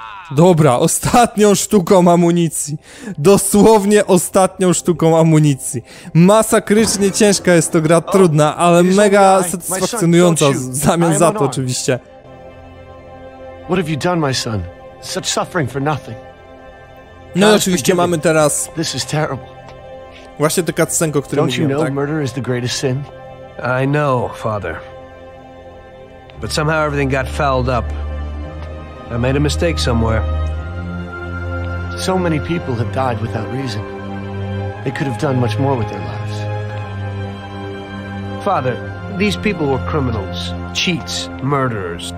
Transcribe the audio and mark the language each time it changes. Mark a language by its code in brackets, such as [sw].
[pl] Dobra, ostatnią sztuką amunicji. Dosłownie ostatnią sztuką amunicji. Masakrycznie ciężka jest to gra, trudna, ale mega satysfakcjonująca w zamian za to oczywiście. [en] What have you done, my son? Such suffering for nothing. [pl] No i oczywiście mamy teraz. [en] This is terrible. [pl] Właśnie tę cutscenkę, o której mówiłem, tak? [en] Murder is the greatest sin. I know, father. But somehow everything got fouled up. I made a mistake somewhere. So many people have died without reason. They could have done much more with their lives. Father, these people were criminals, cheats, murderers.